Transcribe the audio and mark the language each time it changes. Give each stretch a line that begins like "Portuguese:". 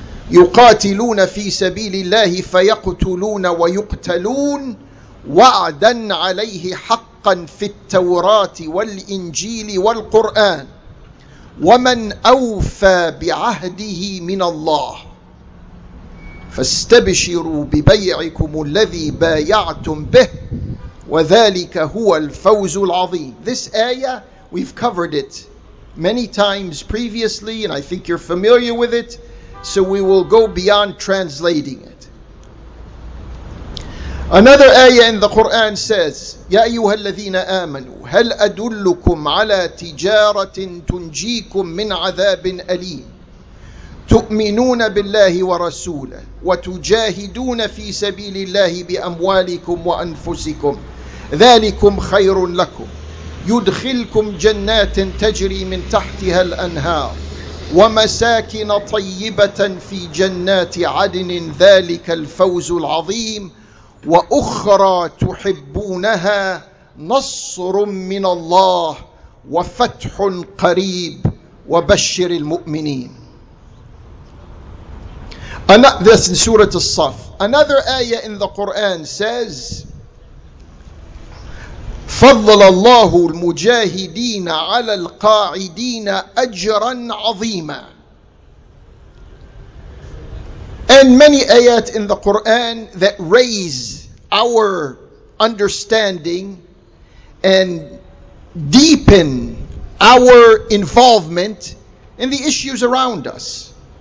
Arabic: يُقَاتِلُونَ فِي سَبِيلِ اللَّهِ فَيَقْتُلُونَ وَيُقْتَلُونَ وَعْدًا عَلَيْهِ حَقًّا فِي التَّوْرَاةِ وَالْإِنْجِيلِ وَالْقُرْآنِ وَمَنْ أَوْفَى بِعَهْدِهِ مِنَ اللَّهِ فَاسْتَبْشِرُوا بِبَيْعِكُمُ الَّذِي بَايَعْتُمْ بِهِ وَذَلِكَ هُوَ الْفَوْزُ الْعَظِيمُ.
English: This ayah, we've covered it many times previously, and I think you're familiar with it, so we will go beyond translating it. Another ayah in the Quran says,
Arabic: يَا أَيُّهَا الَّذِينَ آمَنُوا هَلْ أَدُلُّكُمْ عَلَى تِجَارَةٍ تُنْجِيكُمْ مِنْ عَذَابٍ أَلِيمٍ تؤمنون بالله ورسوله وتجاهدون في سبيل الله بأموالكم وأنفسكم ذلكم خير لكم يدخلكم جنات تجري من تحتها الأنهار ومساكن طيبة في جنات عدن ذلك الفوز العظيم وأخرى تحبونها نصر من الله وفتح قريب وبشر المؤمنين.
English: This is Surah As-Saff. Another ayah in the Quran says,
Arabic: فضل الله المجاهدين على القاعدين أجرا عظيما.
English: And many ayat in the Quran that raise our understanding and deepen our involvement in the issues around us.